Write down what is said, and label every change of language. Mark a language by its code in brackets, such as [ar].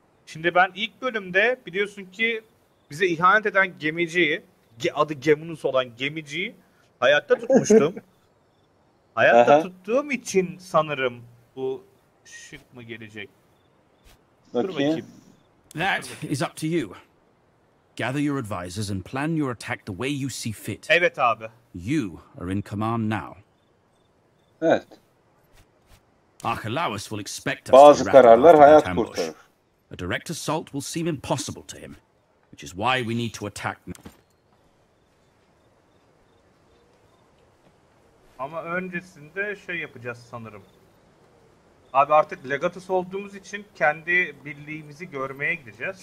[tr] Şimdi ben ilk bölümde biliyorsun ki bize ihanet eden gemiciyi, adı Geminus olan gemiciyi hayatta tutmuştum. Hayatta tuttuğum için sanırım bu şık mı gelecek? [en] That is up to you. Gather your advisors and plan your attack the way you see fit. [tr] Evet abi. [en] You are in command now. [tr] Evet. [en] Archelaus will expect us. [tr] Bazı kararlar hayat kurtarır. [en] A direct assault will seem impossible to him, which is why we need to attack. [tr] Ama öncesinde şey yapacağız sanırım. Abi artık legatus olduğumuz için kendi birliğimizi görmeye gideceğiz.